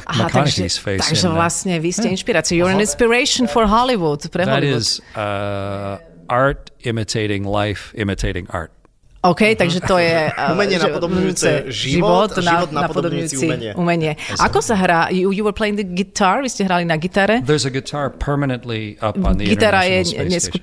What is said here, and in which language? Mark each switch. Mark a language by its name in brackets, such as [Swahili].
[Slovak] Takže vlastne vy ste inšpirácia. [English] You're an inspiration for Hollywood. [Slovak] Pre Hollywood. [English] That is art imitating life, imitating art. [Slovak] OK, takže to je umenie napodobňujúce život napodobňujúci umenie. Ako sa hrá? [English] You were playing the guitar, [Slovak] vy ste hrali na gitare. [English] There's a guitar permanently up on the International Space Station.